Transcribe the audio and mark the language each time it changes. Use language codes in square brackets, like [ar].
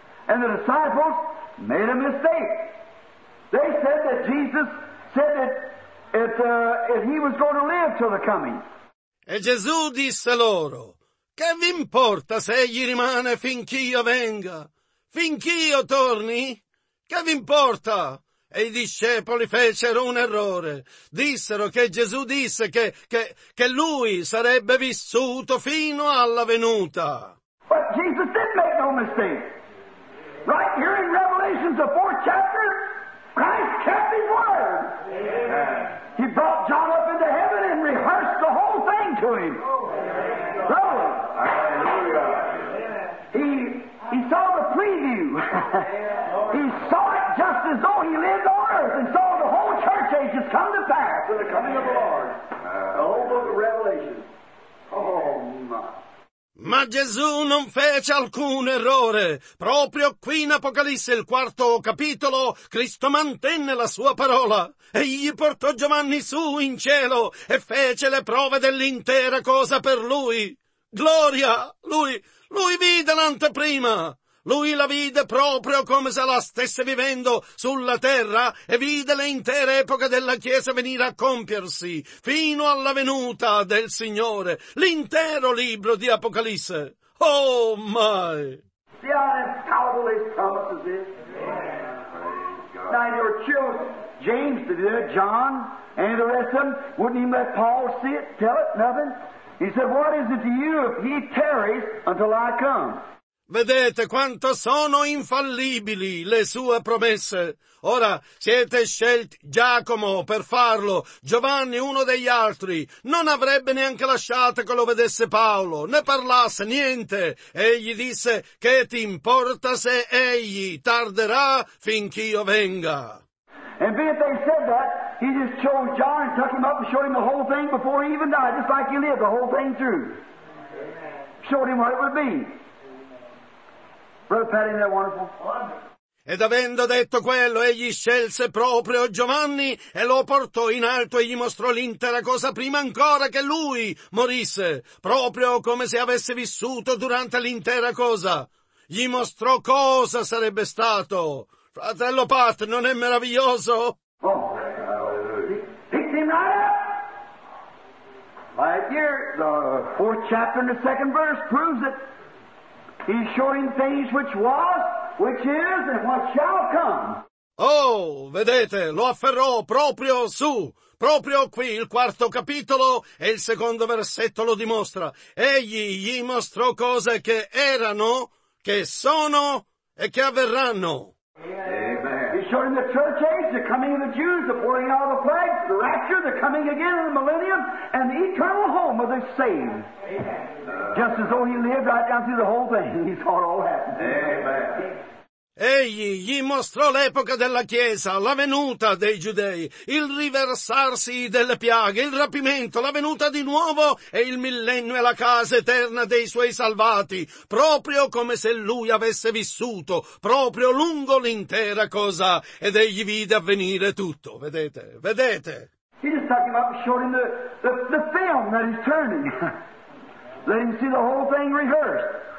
[en] And the disciples made a mistake. They said that Jesus said that he was going to live till the coming. [it] E Gesù disse loro, che vi importa se egli rimane finch'io venga? Finch'io torni? Che vi importa? E i discepoli fecero un errore. Dissero che Gesù disse che lui sarebbe vissuto fino alla venuta. [en] But Jesus did make no mistake. Right here in Revelation, the fourth chapter, Christ kept his word. Amen. He brought John up into heaven and rehearsed the whole thing to him. Hallelujah. So, he saw the preview. He saw it just as though he lived on earth and saw the whole church age has come to pass. To the coming of the Lord. The whole book of Revelation. Oh, my. [it] Ma Gesù non fece alcun errore. Proprio qui in Apocalisse, il quarto capitolo, Cristo mantenne la sua parola. Egli portò Giovanni su in cielo e fece le prove dell'intera cosa per lui. Gloria! Lui vide l'anteprima. Lui la vide proprio come se la stesse vivendo sulla terra e vide le intere epoche della Chiesa venire a compiersi fino alla venuta del Signore, l'intero libro di Apocalisse. [en] Oh, my! See how infallible his promises is? Yeah. Now, your children, James, did it, John, and the rest of them, wouldn't even let Paul see it, tell it, nothing? He said, what is it to you if he tarries until I come? [it] Vedete quanto sono infallibili le sue promesse. Ora siete scelti Giacomo per farlo, Giovanni uno degli altri. Non avrebbe neanche lasciato che lo vedesse Paolo, né parlasse niente. Egli disse, che ti importa se egli tarderà finché io venga? [en] And be it they said that, he just chose John and took him up and showed him the whole thing before he even died, just like he lived the whole thing through. Amen. Showed him what it would be. Amen. Brother Patty, isn't that wonderful? [it] Ed avendo detto quello, egli scelse proprio Giovanni e lo portò in alto e gli mostrò l'intera cosa prima ancora che lui morisse, proprio come se avesse vissuto durante l'intera cosa. Gli mostrò cosa sarebbe stato. Fratello Pat, non è meraviglioso? [en] Oh, picked him right up. Right here, the fourth chapter and the second verse proves it. He showed him things which was, which is, and what shall come. [it] Oh, vedete, lo afferrò proprio su. Proprio qui il quarto capitolo e il secondo versetto lo dimostra. Egli gli mostrò cose che erano, che sono e che avverranno. [en] Amen. He showed him the church age, the coming of the Jews, the pouring out of the flags, the rapture, the coming again of the millennium, and the eternal home of the saved. Amen. Just as though he lived right down through the whole thing, he saw it all happen. Amen. [it] Egli gli mostrò l'epoca della Chiesa, la venuta dei Giudei, il riversarsi delle piaghe, il rapimento, la venuta di nuovo e il millennio e la casa eterna dei suoi salvati, proprio come se lui avesse vissuto, proprio lungo l'intera cosa, ed egli vide avvenire tutto. Vedete, vedete. [en] He just took him up and showed him the film that he's turning. Let him see the whole thing rehearsed.